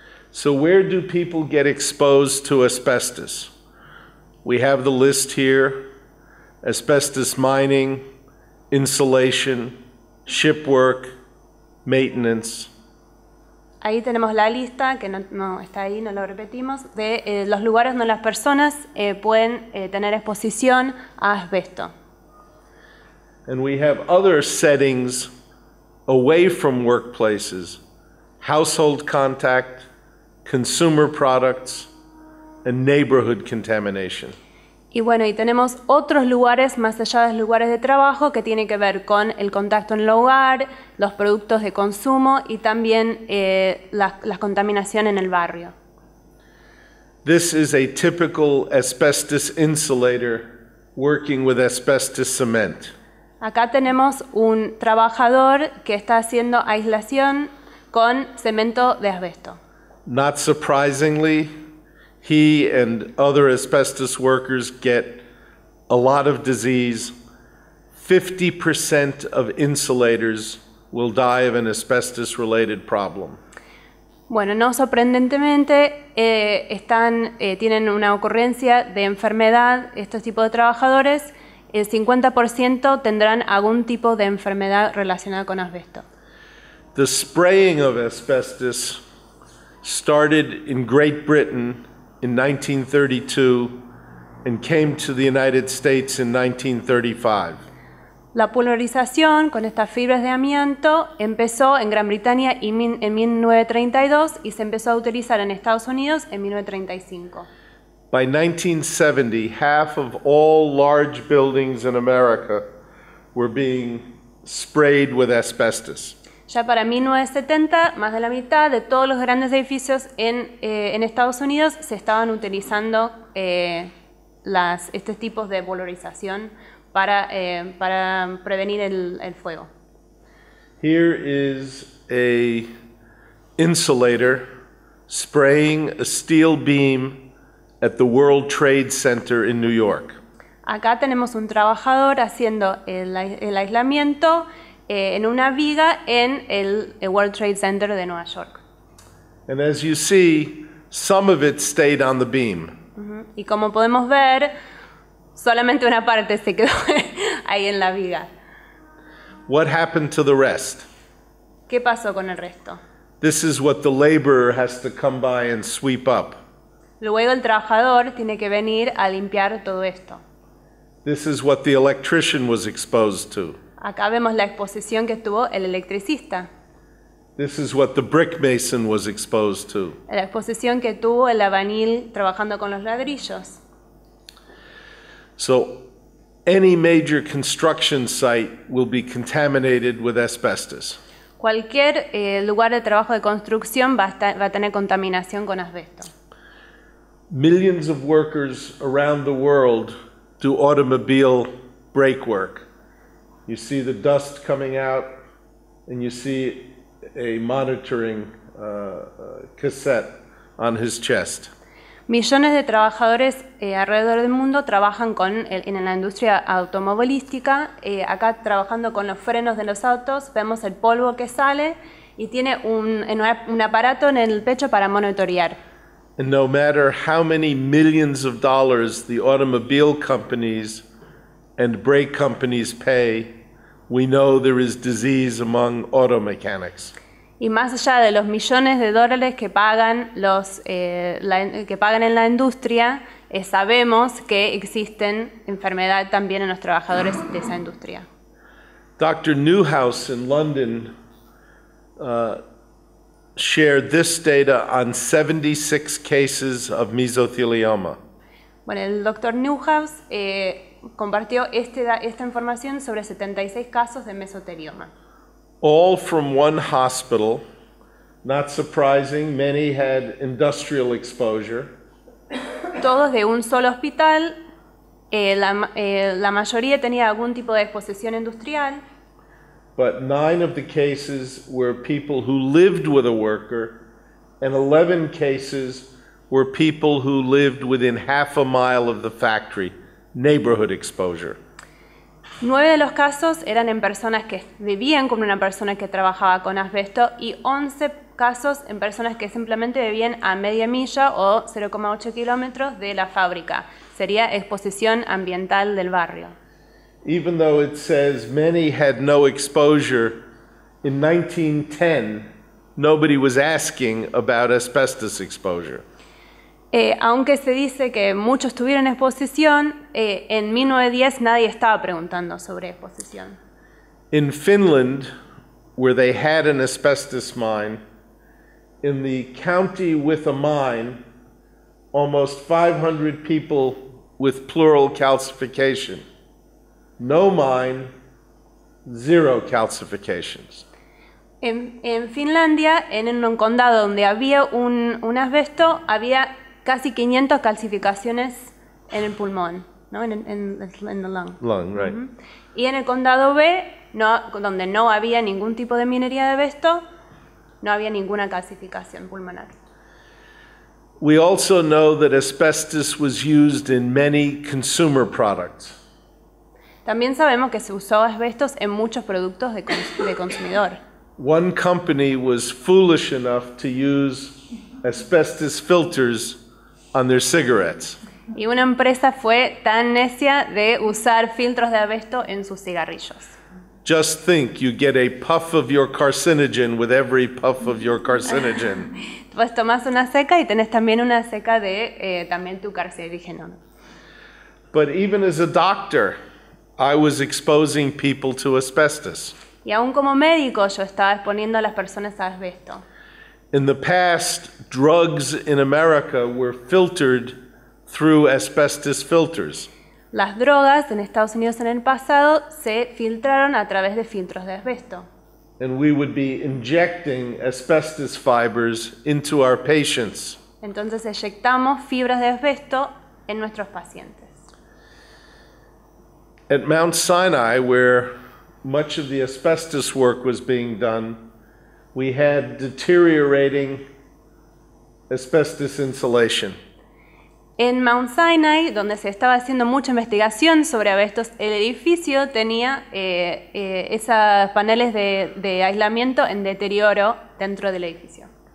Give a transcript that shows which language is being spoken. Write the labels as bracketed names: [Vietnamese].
[English] So where do people get exposed to asbestos? We have the list here: asbestos mining, insulation, shipwork, maintenance. [Spanish] Ahí tenemos la lista, que no está ahí, no lo repetimos, de los lugares donde las personas pueden tener exposición a asbesto. [English] And we have other settings away from workplaces: household contact, consumer products, and neighborhood contamination. [Spanish] Y bueno, y tenemos otros lugares más allá de los lugares de trabajo que tienen que ver con el contacto en el hogar, los productos de consumo y también la contaminación en el barrio. [English] This is a typical asbestos insulator working with asbestos cement. [Spanish] Acá tenemos un trabajador que está haciendo aislación con cemento de asbesto. [English] Not surprisingly, he and other asbestos workers get a lot of disease. 50% of insulators will die of an asbestos-related problem. [Spanish] Bueno, no sorprendentemente, tienen una ocurrencia de enfermedad estos tipos de trabajadores. El 50% tendrán algún tipo de enfermedad relacionada con asbesto. [English] The spraying of asbestos started in Great Britain in 1932 and came to the United States in 1935. [Spanish] La pulverización con estas fibras de amianto empezó en Gran Bretaña en 1932 y se empezó a utilizar en Estados Unidos en 1935. [English] By 1970, half of all large buildings in America were being sprayed with asbestos. [Spanish] Ya para 1970, más de la mitad de todos los grandes edificios en Estados Unidos se estaban utilizando estos tipos de pulverización para prevenir el fuego. [English] Here is a insulator spraying a steel beam at the World Trade Center in New York. [Spanish] Acá tenemos un trabajador haciendo el aislamiento en una viga en el World Trade Center de Nueva York. [English] And as you see, some of it stayed on the beam. [Spanish] Y como podemos ver, solamente una parte se quedó ahí en la viga. [English] What happened to the rest? [Spanish] ¿Qué pasó con el resto? [English] This is what the laborer has to come by and sweep up. [Spanish] Luego el trabajador tiene que venir a limpiar todo esto. [English] This is what the electrician was exposed to. [Spanish] Acá vemos la exposición que tuvo el electricista. [English] This is what the brick mason was exposed to. [Spanish] La exposición que tuvo el albañil trabajando con los ladrillos. [English] So, any major construction site will be contaminated with asbestos. [Spanish] Cualquier lugar de trabajo de construcción va a tener contaminación con asbesto. [English] Millions of workers around the world do automobile brake work. You see the dust coming out, and you see a monitoring cassette on his chest. [Spanish] Millones de trabajadores alrededor del mundo trabajan en la industria automovilística. Acá trabajando con los frenos de los autos, vemos el polvo que sale y tiene un aparato en el pecho para monitorear. [English] And no matter how many millions of dollars the automobile companies and brake companies pay, we know there is disease among auto mechanics. [Spanish] Y más allá de los millones de dólares que pagan en la industria, sabemos que existen enfermedades también en los trabajadores de esa industria. [English] Dr. Newhouse in London shared this data on 76 cases of mesothelioma. [Spanish] Bueno, el Dr. Newhouse compartió esta información sobre 76 casos de mesotelioma. [English] All from one hospital. Not surprising, many had industrial exposure. [Spanish] Todos de un solo hospital. La mayoría tenía algún tipo de exposición industrial. [English] But 9 of the cases were people who lived with a worker and 11 cases were people who lived within half a mile of the factory, neighborhood exposure. [Spanish] 9 de los casos eran en personas que vivían con una persona que trabajaba con asbesto y 11 casos en personas que simplemente vivían a media milla o 0,8 kilómetros de la fábrica. Sería exposición ambiental del barrio. [English] Even though it says many had no exposure, in 1910, nobody was asking about asbestos exposure. [Spanish] Aunque se dice que muchos tuvieron exposición, en 1910 nadie estaba preguntando sobre exposición. [English] In Finland, where they had an asbestos mine, in the county with a mine, almost 500 people with pleural calcification. No mine, zero calcifications. [Spanish] En Finlandia, en un condado donde había un asbesto, había casi 500 calcificaciones en el pulmón, ¿no? [English] En the lung. Lung, right. Mm-hmm. [Spanish] Y en el condado B, no, donde no había ningún tipo de minería de asbesto, no había ninguna calcificación pulmonar. [English] We also know that asbestos was used in many consumer products. [Spanish] También sabemos que se usó asbestos en muchos productos de consumidor. [English] One company was foolish enough to use asbestos filters on their cigarettes. [Spanish] Y una empresa fue tan necia de usar filtros de asbesto en sus cigarrillos. [English] Just think, you get a puff of your carcinogen with every puff of your carcinogen. [Spanish] Pues tomas una seca y tenés también una seca de también tu carcinógeno. [English] But even as a doctor, I was exposing people to asbestos. [Spanish] Y aún como médico, yo estaba exponiendo a las personas a asbesto. [English] In the past, drugs in America were filtered through asbestos filters. [Spanish] Las drogas en Estados Unidos en el pasado se filtraron a través de filtros de asbesto. [English] And we would be injecting asbestos fibers into our patients. [Spanish] Entonces, inyectamos fibras de asbesto en nuestros pacientes. [English] At Mount Sinai, where much of the asbestos work was being done, we had deteriorating asbestos insulation. [Spanish] En Mount Sinai, donde se estaba haciendo mucha investigación sobre asbestos, el edificio tenía esos paneles de aislamiento en deterioro dentro del edificio.